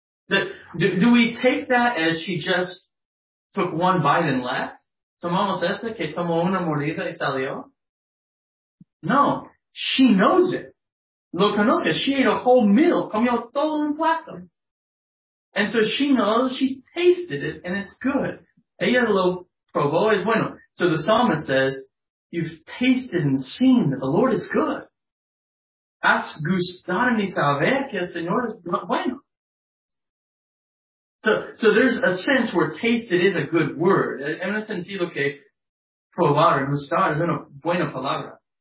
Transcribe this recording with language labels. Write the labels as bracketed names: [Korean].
[English] Do we take that as she just took one bite and left? [Spanish] Tomamos esta que tomó una mordida y salió? [English] No. She knows it. [Spanish] Lo conoce. [English] She ate a whole meal. [Spanish] Comió todo un plato. [English] And so she knows, she tasted it, and it's good. [Spanish] Ella lo probó, es bueno. [English] So the psalmist says, you've tasted and seen that the Lord is good. [Spanish] Has gustado mi saber que el Señor es bueno. [English] So there's a sense where tasted is a good word. [Spanish] En el sentido que probar, gustar es una buena palabra.